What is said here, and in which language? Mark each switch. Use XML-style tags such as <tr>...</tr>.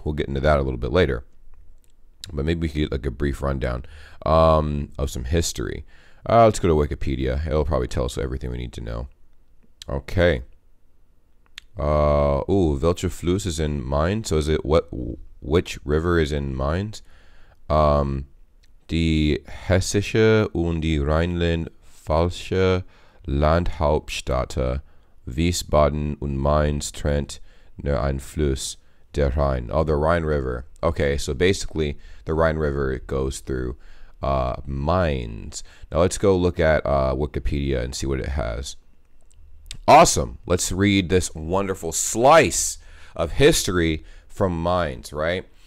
<en>We'll get into that a little bit later. But maybe we could get like a brief rundown of some history. Let's go to Wikipedia. It'll probably tell us everything we need to know. Okay. Welcher Fluss is in Mainz? So is it which river is in Mainz?</en> <de>Die Hessische und die Rheinland-Pfalzische Landhauptstädte Wiesbaden und Mainz trennt nur ein Fluss. Der Rhein.</de> <en>Oh, the Rhine River. Okay, so basically, the Rhine River goes through Mainz. Now, let's go look at Wikipedia and see what it has. Awesome! Let's read this wonderful slice of history from Mainz, right?</en>